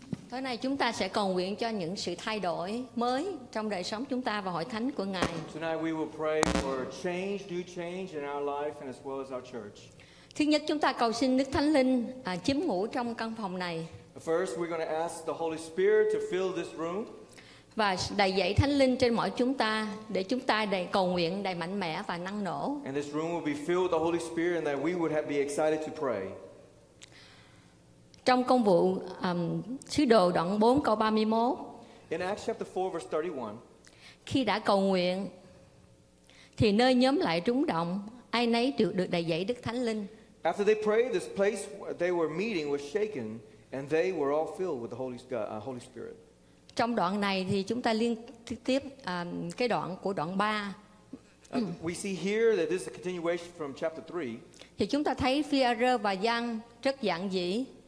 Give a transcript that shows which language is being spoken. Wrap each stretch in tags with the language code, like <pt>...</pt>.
<vi>Tối nay chúng ta sẽ cầu nguyện cho những sự thay đổi mới trong đời sống chúng ta và hội thánh của Ngài.</vi> <en>Tonight we will pray for change, new change in our life and as well as our church.</en> <vi>Thứ nhất chúng ta cầu xin Đức Thánh Linh chiếm ngủ trong căn phòng này.</vi> <en>First we're going to ask the Holy Spirit to fill this room.</en> <vi>Và đầy dậy Thánh Linh trên mỗi chúng ta để chúng ta đầy cầu nguyện đầy mạnh mẽ và năng nổ.</vi> <en>And this room will be filled with the Holy Spirit and that we would be excited to pray.</en> <vi>Trong công vụ sứ đồ đoạn 4 câu 31.</vi> <en>In Acts chapter 4 verse 31.</en> <vi>Khi đã cầu nguyện thì nơi nhóm lại rúng động, ai nấy được đầy dẫy Đức Thánh Linh.</vi> <en>After they prayed, this place they were meeting was shaken and they were all filled with the Holy Spirit.</en> <vi>Trong đoạn này thì chúng ta liên tiếp cái đoạn của đoạn 3.</vi> <en>We see here that this is a continuation from chapter 3.</en> <vi>Thì chúng ta thấy Phi-a-rơ và Giăng rất giản dị.</vi>